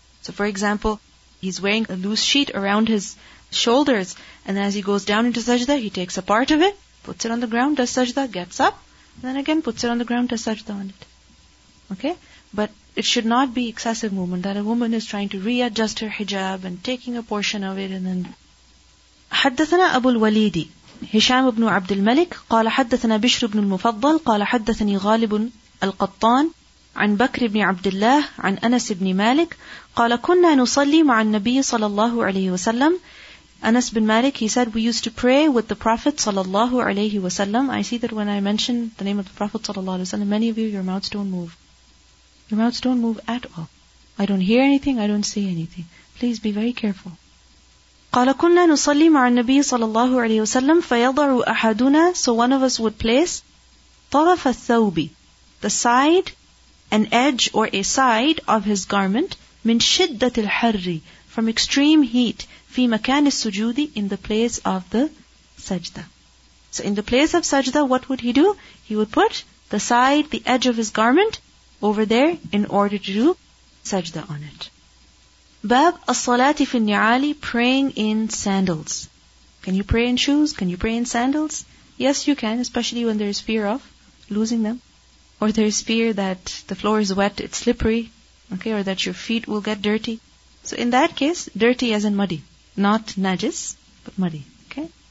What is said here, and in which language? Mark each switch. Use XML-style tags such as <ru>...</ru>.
<en>So for example, he's wearing a loose sheet around his shoulders, and as he goes down into sajda, he takes a part of it, puts it on the ground, does sajda, gets up, and then again puts it on the ground, does sajda on it. Okay? But it should not be excessive movement, that a woman is trying to readjust her hijab and taking a portion of it and then...</en> <ar>حدثنا أبو الوليد هشام بن عبد الملك قال حدثنا بشر بن المفضل قال حدثني غالب القطان عن بكر بن عبد الله عن أنس بن مالك قال كنا نصلي مع النبي صلى الله عليه وسلم.</ar> <en>Anas bin Malik, he said, we used to pray with the Prophet</en> <ar>صلى الله عليه وسلم.</ar> <en>I see that when I mention the name of the Prophet</en> <ar>صلى الله عليه وسلم,</ar> <en>many of you, your mouths don't move. Your mouths don't move at all. I don't hear anything, I don't see anything. Please be very careful.</en> <ar>قال كنا نصلي مع النبي صلى الله عليه وسلم فيضع أحدنا.</ar> <en>So one of us would place</en> <ar>طرف الثوب,</ar> <en>the side, an edge or a side of his garment,</en> <ar>من شدة الحر,</ar> <en>from extreme heat,</en> <ar>في مكان السجود,</ar> <en>in the place of the sajda. So in the place of sajda, what would he do? He would put the side, the edge of his garment over there in order to do sajda on it.</en> <ar>باب الصلاة في النعال,</ar> <en>praying in sandals. Can you pray in shoes? Can you pray in sandals? Yes, you can, especially when there is fear of losing them. or there is fear that the floor is wet, it's slippery, okay, or that your feet will get dirty. So in that case, dirty as in muddy, not najis, but muddy, okay?</en>